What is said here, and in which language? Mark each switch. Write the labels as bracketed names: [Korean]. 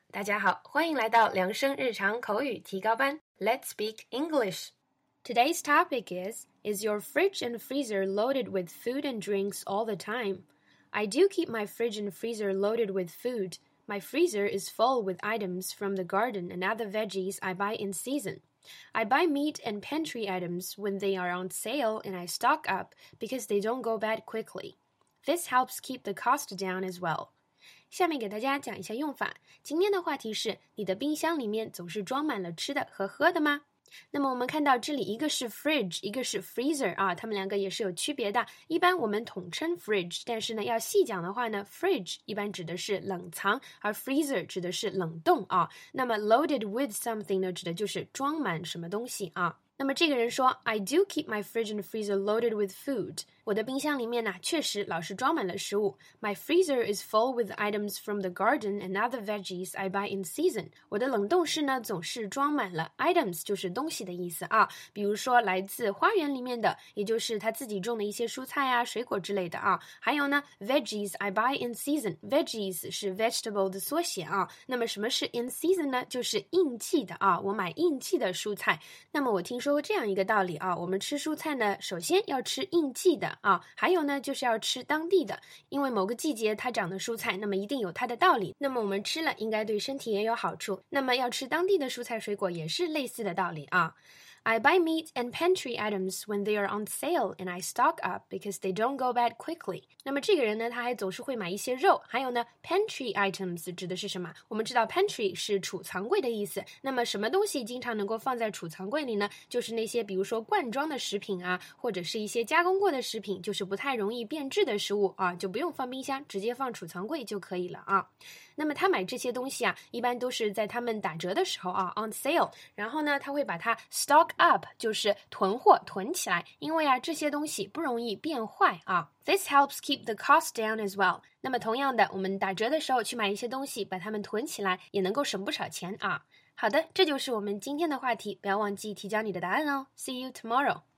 [Chinese] 大家好，欢迎来到量声日常口语提高班。 [English] Let's speak English. Today's topic is your fridge and freezer loaded with food and drinks all the time? I do keep my fridge and freezer loaded with food. My freezer is full with items from the garden and other veggies I buy in season. I buy meat and pantry items when they are on sale and I stock up because they don't go bad quickly. This helps keep the cost down as well. [Chinese] 下面给大家讲一下用法。今天的话题是，你的冰箱里面总是装满了吃的和喝的吗？那么我们看到这里一个是 fridge， 一个是 freezer 啊，它们两个也是有区别的。一般我们统称 fridge， 但是呢，要细讲的话呢 ，fridge 一般指的是冷藏，而 freezer 指的是冷冻啊。那么 loaded with something 呢，指的就是装满什么东西啊。那么这个人说 [English] ，I do keep my fridge and freezer loaded with food。 [Chinese] 我的冰箱里面呢，确实老是装满了食物。 [English] My freezer is full with items from the garden and other veggies I buy in season。 [Chinese] 我的冷冻室呢，总是装满了 items， 就是东西的意思啊。比如说来自花园里面的，也就是他自己种的一些蔬菜啊、水果之类的啊。还有呢 ， [English] veggies I buy in season。 [Chinese] veggies 是 vegetable 的缩写啊。那么什么是 in season 呢？就是应季的啊。我买应季的蔬菜。那么我听说过这样一个道理啊，我们吃蔬菜呢，首先要吃应季的。啊，还有呢，就是要吃当地的，因为某个季节它长的蔬菜，那么一定有它的道理。那么我们吃了，应该对身体也有好处。那么要吃当地的蔬菜水果，也是类似的道理啊。 [English] I buy meat and pantry items when they are on sale and I stock up because they don't go bad quickly. [Chinese] 那么这个人呢，他还总是会买一些肉，还有呢 ,pantry items 指的是什么？我们知道 pantry 是储藏柜的意思。那么什么东西经常能够放在储藏柜里呢？就是那些比如说罐装的食品啊，或者是一些加工过的食品，就是不太容易变质的食物啊，就不用放冰箱，直接放储藏柜就可以了啊。那么他买这些东西啊，一般都是在他们打折的时候啊 ,on sale, 然后呢他会把它 stock up 就是囤货囤起来，因为啊这些东西不容易变坏啊。 [English] This helps keep the cost down as well. [Chinese] 那么同样的，我们打折的时候去买一些东西，把它们囤起来，也能够省不少钱啊。好的，这就是我们今天的话题，不要忘记提交你的答案哦。 [English] See you tomorrow.